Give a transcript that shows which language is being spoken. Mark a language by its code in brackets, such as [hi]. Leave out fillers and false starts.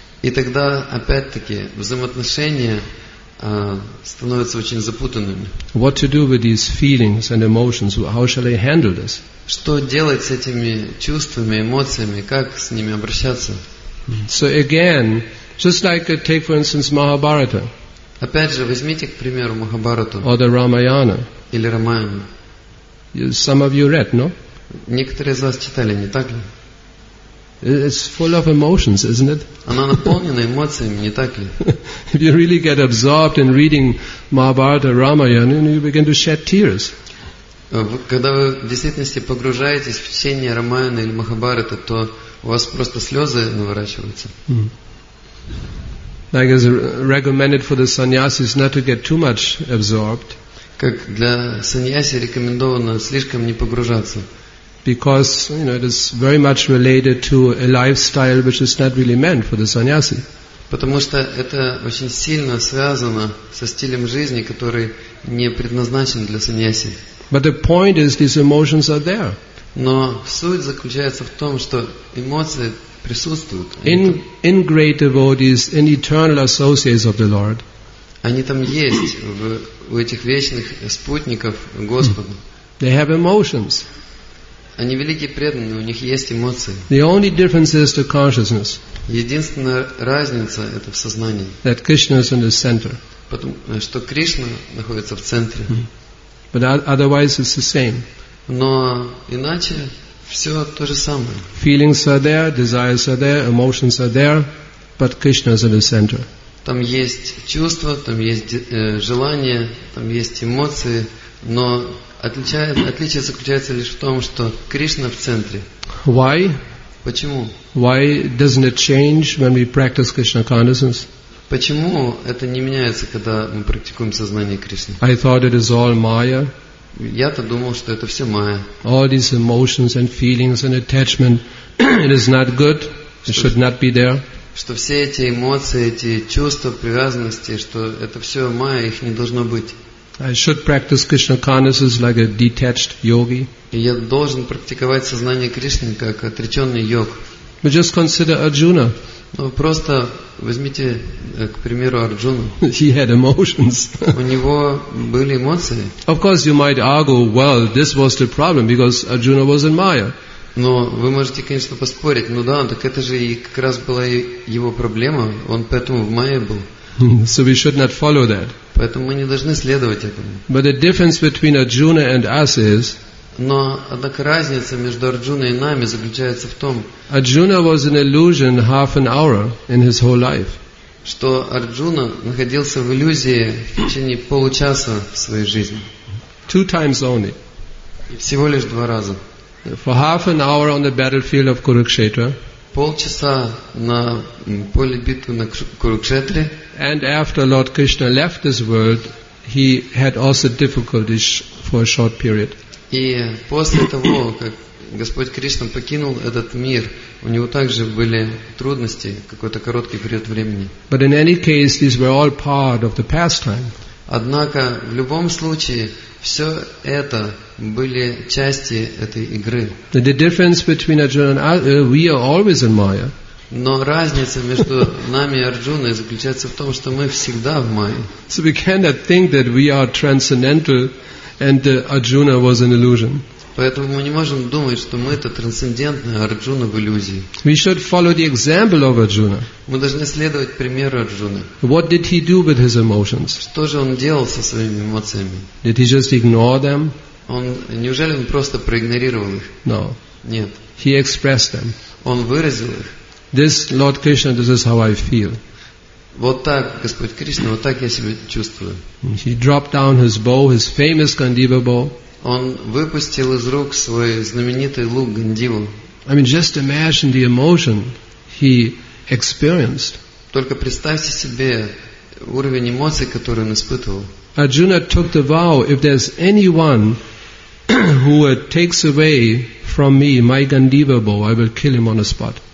[ru] И тогда, опять-таки, взаимоотношения становятся очень запутанными. [en] What to do with these feelings and emotions? How shall I handle this? [ru] Что делать с этими чувствами, эмоциями? Как с ними обращаться? [en] So again, just like take for instance Mahabharata. [ru] Опять же, возьмите, к примеру, Махабхарату. [en] Or the Ramayana. [ru] Или Рамаяну. [en] Some of you read, no? [ru] Некоторые из вас читали, не так ли? [en] It's full of emotions, isn't it? [ru] Она наполнена эмоциями, не так ли? [en] If you really get absorbed in reading Mahabharata, Ramayana, you begin to shed tears. [ru] Когда вы в действительности погружаетесь в чтение Рамаяны или Махабхараты, то у вас просто слезы наворачиваются. [en] Like is recommended for the sannyasis not to get too much absorbed. [ru] Как для саньяси рекомендовано слишком не погружаться. [en] Because you know it is very much related to a lifestyle which is not really meant for the sannyasi. [ru] Потому что это очень сильно связано со стилем жизни, который не предназначен для саньяси. [en] But the point is these emotions are there. [ru] Но суть заключается в том, что эмоции присутствуют. [en] In great devotees, in eternal associates of the Lord. [ru] Они там есть, в у этих вечных спутников Господа. [en] They have emotions. [ru] Они великие преданные, у них есть эмоции. [en] The only difference is the consciousness. [ru] Единственная разница – это в сознании. [en] That Krishna is in the center. [ru] Потому что Кришна находится в центре. [en] But otherwise it's the same. [ru] Но иначе все то же самое. [en] Feelings are there, desires are there, emotions are there, but Krishna is at the center. [ru] Там есть чувства, там есть желания, там есть эмоции, но отличие заключается лишь в том, что Кришна в центре. [en] Why? [ru] Почему? [en] Why doesn't it change when we practice Krishna consciousness? [ru] Почему это не меняется, когда мы практикуем сознание Кришны? [en] I thought it is all Maya. [ru] Я-то думал, что это все майя. [en] All these emotions and feelings and attachment, it is not good. It should not be there. [ru] Что все эти эмоции, эти чувства, привязанности, что это все майя, их не должно быть. [en] I should practice Krishna consciousness like a detached yogi. [ru] И я должен практиковать сознание Кришны как отреченный йог. [en] But just consider Arjuna. [ru] Ну просто возьмите, к примеру, Арджуну. [en] He had emotions. [ru] У него были эмоции. [en] Of course, you might argue, well, this was the problem because Arjuna was in Maya. [ru] Но вы можете, конечно, поспорить. Ну да, так это же и как раз была его проблема. Он поэтому в Майе был. [en] So we should not follow that. [ru] Поэтому мы не должны следовать этому. [en] But the difference between Arjuna and us is. [ru] Но однако разница между Арджуной и нами заключается в том, [en] Arjuna was an illusion half an hour in his whole life. [ru] Что Арджуна находился в иллюзии в течение получаса в своей жизни. [en] Two times only. [ru] И всего лишь два раза. [en] For half an hour on the battlefield of Kurukshetra. [ru] Полчаса на поле битвы на Курукшетре. [en] And after Lord Krishna left this world, he had also difficulties for a short period. [ru] И после того, как Господь Кришна покинул этот мир, у него также были трудности какой-то короткий период времени. [en] But in any case, these were all part of the pastime. [ru] Однако в любом случае все это были части этой игры. [en] The difference between Arjuna and us, we are always in Maya. [ru] Но разница между нами и Арджуной заключается в том, что мы всегда в Майе. [en] So we cannot think that we are transcendental. And Arjuna was an illusion. [ru] Поэтому мы не можем думать, что мы это трансцендентное, Арджуна в иллюзии. [en] We should follow the example of Arjuna. [ru] Мы должны следовать примеру Арджуны. [en] What did he do with his emotions? [ru] Что же он делал со своими эмоциями? [en] Did he just ignore them? [ru] Неужели он просто проигнорировал их? [en] No. [ru] Нет. [en] He expressed them. [ru] Он выразил их. [en] This Lord Krishna, this is how I feel. [ru] Вот так, Господь Кришна, вот так я себя чувствую. [en] He dropped down his bow, his famous Gandiva bow. [ru] Он выпустил из рук свой знаменитый лук Гандиву. [en] I mean, just imagine the emotion he experienced. [ru] Только представьте себе уровень эмоций, который он испытывал. [en] Arjuna took the vow, if there's anyone who takes away from me my Gandiva bow, I will kill him on the spot.